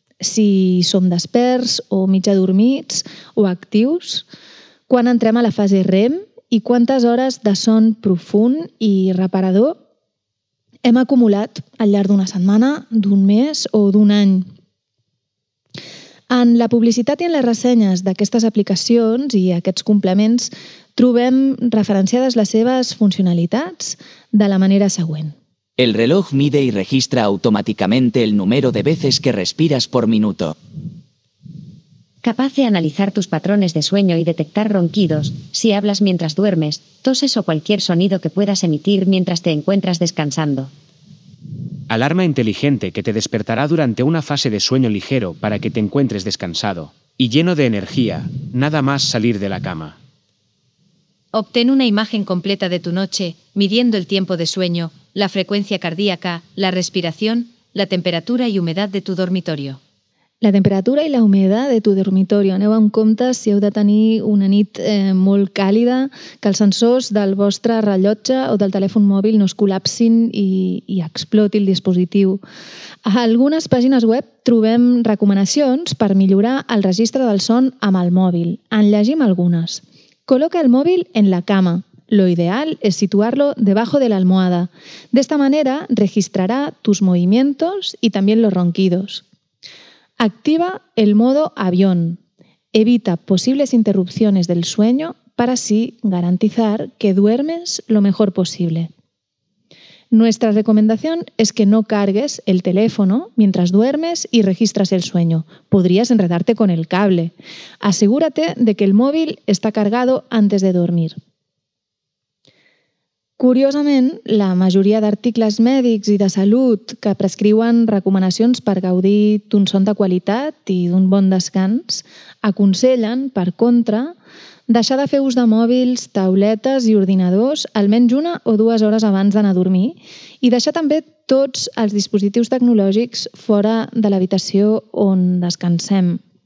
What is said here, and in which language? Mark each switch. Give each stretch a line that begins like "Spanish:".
Catalan: si som desperts o mig adormits o actius, quan entrem a la fase REM i quantes hores de son profund i reparador hem acumulat al llarg d'una setmana, d'un mes o d'un any. En la publicitat i en les ressenyes d'aquestes aplicacions i aquests complements trobem referenciades les seves funcionalitats de la manera següent.
Spanish: El reloj mide y registra automáticamente el número de veces que respiras por minuto. Capaz de analizar tus patrones de sueño y detectar ronquidos, si hablas mientras duermes, toses o cualquier sonido que puedas emitir mientras te encuentras descansando. Alarma inteligente que te despertará durante una fase de sueño ligero para que te encuentres descansado y lleno de energía, nada más salir de la cama. Obtén una imagen completa de tu noche, midiendo el tiempo de sueño, la frecuencia cardíaca, la respiración, la temperatura y humedad de tu dormitorio.
Catalan: La temperatura i la humedat de tu dormitori. Aneu amb compte si heu de tenir una nit molt càlida, que els sensors del vostre rellotge o del telèfon mòbil no es col·lapsin i exploti el dispositiu. A algunes pàgines web trobem recomanacions per millorar el registre del son amb el mòbil. En llegim algunes. Col·loca el mòbil
Spanish: en la cama. Lo ideal es situarlo debajo de la almohada. De esta manera registrará tus movimientos y también los ronquidos. Activa el modo avión. Evita posibles interrupciones del sueño para así garantizar que duermes lo mejor posible. Nuestra recomendación es que no cargues el teléfono mientras duermes y registras el sueño. Podrías enredarte con el cable. Asegúrate de que el móvil está cargado antes de dormir.
Catalan: Curiosament, la majoria d'articles mèdics i de salut que prescriuen recomanacions per gaudir d'un son de qualitat i d'un bon descans aconsellen, per contra, deixar de fer ús de mòbils, tauletes i ordinadors almenys una o dues hores abans d'anar a dormir i deixar també tots els dispositius tecnològics fora de l'habitació on descansem.